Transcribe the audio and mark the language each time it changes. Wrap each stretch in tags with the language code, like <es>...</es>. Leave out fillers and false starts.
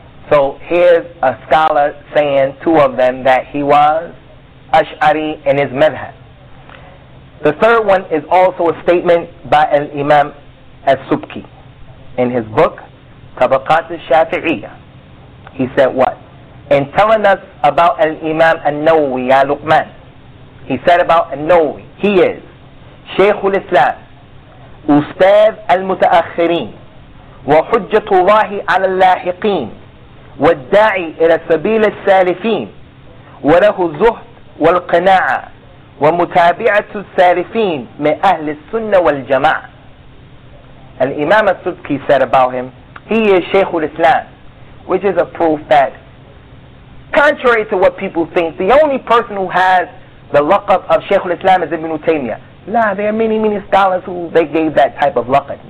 <en>So here's a scholar saying, two of them, that he was Ash'ari in his madhab. The third one is also a statement by Al-Imam As-Subki in his book, Tabaqat Al-Shafi'iyya. He said what? In telling us about Al-Imam An-Nawawi, Ya Luqman, he said about An-Nawawi, he is Shaykh al-Islam,</en> <ar>أستاذ المتأخرين وحجة الله على اللاحقين والداعي إلى سبيل السالفين وله الزهد والقناعة ومتابعة السالفين من أهل السنة والجماعة.</ar> <en>الإمام السبكي said about him, he is Shaykh al-Islam, which is a proof that contrary to what people think, the only person who has the laqab of Shaykh al-Islam is Ibn Taymiyyah. Nah, there are many, many scholars who they gave that type of laqab.</en>